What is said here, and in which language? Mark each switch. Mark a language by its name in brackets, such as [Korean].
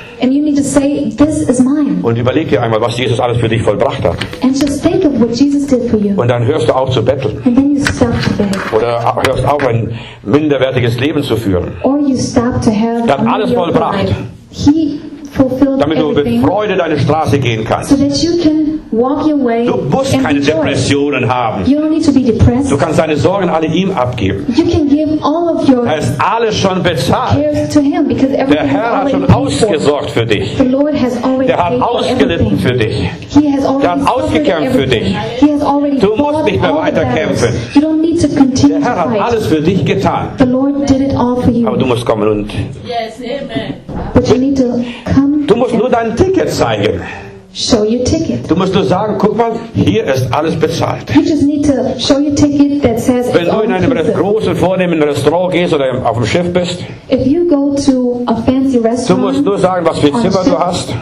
[English] And you need to say, this is mine. [German] Und überleg dir einmal, was Jesus alles für dich vollbracht hat. [English] And just think of what Jesus did for you. [German] Und dann hörst du auf zu betteln. [English] And then you stop to beg. [German] Oder hörst auf, ein minderwertiges Leben zu führen. [English] Or you stop to have. [German] Er hat alles vollbracht. [English] He fulfilled [German] damit du mit Freude deine Straße gehen kannst. [English] So that you can walk your way. [German] Du musst keine Depressionen haben. [English] You don't need to be depressed. [German] Du kannst deine Sorgen alle ihm abgeben. [English] You can give all of your cares to him, because everything is already paid. [German] Der Herr hat schon ausgesorgt für dich. [English] The Lord has already paid for everything. [German] Der hat ausgelitten für dich. [English] He has already [German] Der hat ausgekämpft für dich. [English] He has already [German] du musst nicht mehr weiter kämpfen. [English] You don't need to continue. [German] Der Herr hat alles für dich getan. [English] The Lord did it all for you. [German] Aber du musst kommen und [English] yes, amen. But you need to come. [German] Du musst nur dein Ticket zeigen. [English] Show your ticket. [German] Du musst nur sagen, guck mal, hier ist alles bezahlt. [English] You just need to show your ticket that says. [German] Wenn du in einem großen, vornehmen Restaurant gehst oder auf dem Schiff bist, [English] if you go to a fancy restaurant, [German] du musst nur sagen, was für Zimmer du hast.